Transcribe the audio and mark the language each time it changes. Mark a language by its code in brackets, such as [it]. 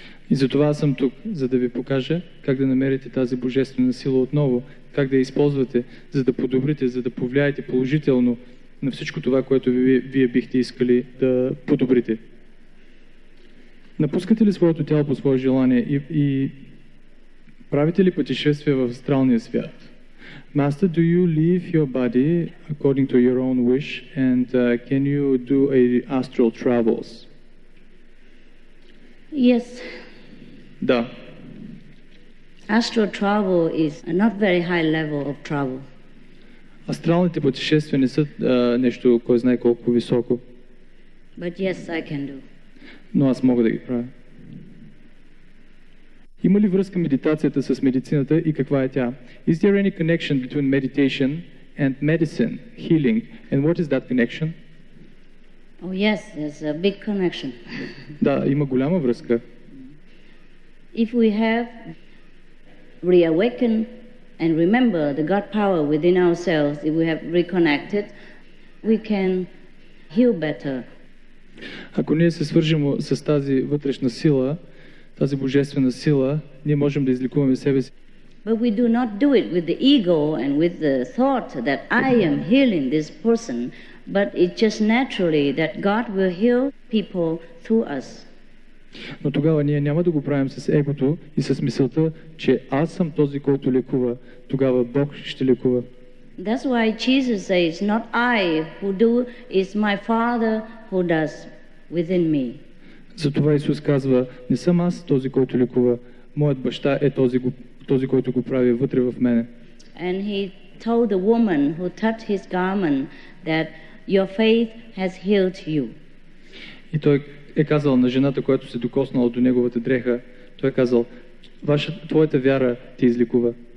[bg] И затова съм тук, за да ви покажа как да намерите тази божествена сила отново, как да я използвате, за да подобрите, за да повлияете положително на всичко това, което вие бихте искали да подобрите. Напускате ли своето тяло по свое желание и правите ли пътешествие в астралния свят? [en] Master, do you leave your body according to your own wish and can you do astral travels? Yes. [bg] Да. [en] Astral travel is a not very high level of travel. [bg] Астралните пътешествия не са нещо, кой знае колко високо. [en] But yes, I can do. [bg] Но аз мога да ги правя. Има ли връзка медитацията с медицината и каква е тя? [en] Is there any connection between meditation and medicine, healing, and what is that connection? Oh yes, there's a big connection. [bg] Да, има голяма връзка. [en] If we have reawakened and remember the God power within ourselves, if we have reconnected, we can heal better. [bg] Ако ние се свържем с тази вътрешна сила, тази божествена сила, ние можем да излекуваме себе си. [en] But we do not do it with the ego and with the thought that I am healing this person, but it's just naturally that God will heal people through us. [bg] Но тогава ние няма да го правим с егото и с мисълта, че аз съм този, който лекува, тогава Бог ще лекува. [en] That's why Jesus says, not I who do, it's my Father who does within me. [bg] Затова Исус казва, не съм аз този, който лекува, моят баща е този, който го прави вътре в мене. [en] And he told the woman who touched his garment that your faith has healed you. [bg] И той е казал на жената, която се докоснала до неговата дреха, той е казал, твоята вяра те излекува.